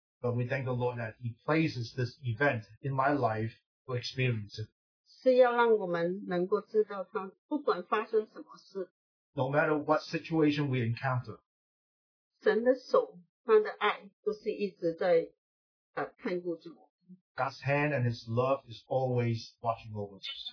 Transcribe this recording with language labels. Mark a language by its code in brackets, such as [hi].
[en] But we thank the Lord that He places this event in my life to experience it. [zh] 是要让我们能够知道他不管发生什么事, [en] no matter what situation we encounter, [zh] 神的手,他的爱都是一直在, [en] God's hand and His love is always watching over us.